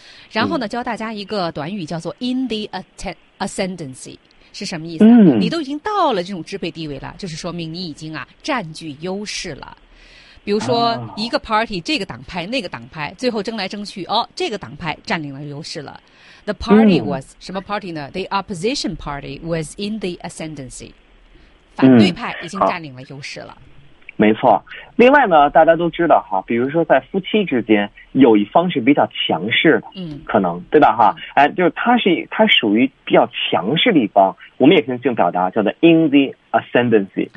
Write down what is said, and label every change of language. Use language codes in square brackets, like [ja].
[zh] 然后呢教大家一个短语叫做 [en] in the ascendancy， [zh] 是什么意思、嗯、你都已经到了这种支配地位了，就是说明你已经啊占据优势了。比如说一个 party、哦、这个党派那个党派最后争来争去，哦，这个党派占领了优势了。 [en] The party was、嗯、 [zh] 什么 party 呢？ [en] The opposition party was in the ascendancy， [zh] 反对派已经占领了优势了、嗯，没错。另外呢大家都知道哈，比如说在夫妻之间有一方是比较强势的，嗯，可能对吧哈，哎，就是他属于比较强势的一方，我们也可以这样表达，叫做 [en] in the ascendancy、